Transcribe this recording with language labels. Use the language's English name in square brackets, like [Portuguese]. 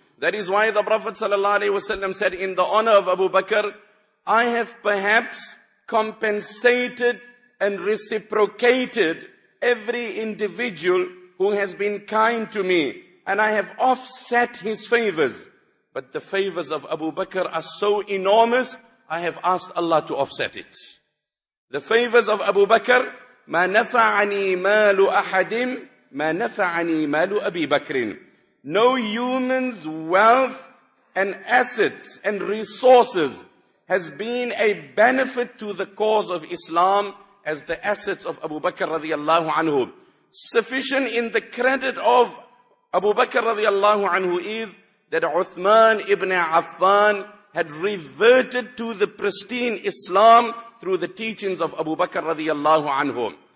[English] That is why the Prophet sallallahu alayhi wasallam said, in the honor of Abu Bakr, I have perhaps compensated and reciprocated every individual who has been kind to me, and I have offset his favors. But the favors of Abu Bakr are so enormous, I have asked Allah to offset it. The favors of Abu Bakr, [Arabic] مَا نَفَعَنِي مَالُ أَحَدٍ مَا نَفَعَنِي مَالُ أَبِي بَكْرٍ. [English] No human's wealth and assets and resources has been a benefit to the cause of Islam as the assets of Abu Bakr radiallahu anhu. Sufficient in the credit of Abu Bakr radiallahu anhu is that Uthman ibn Affan had reverted to the pristine Islam through the teachings of Abu Bakr radiallahu anhu.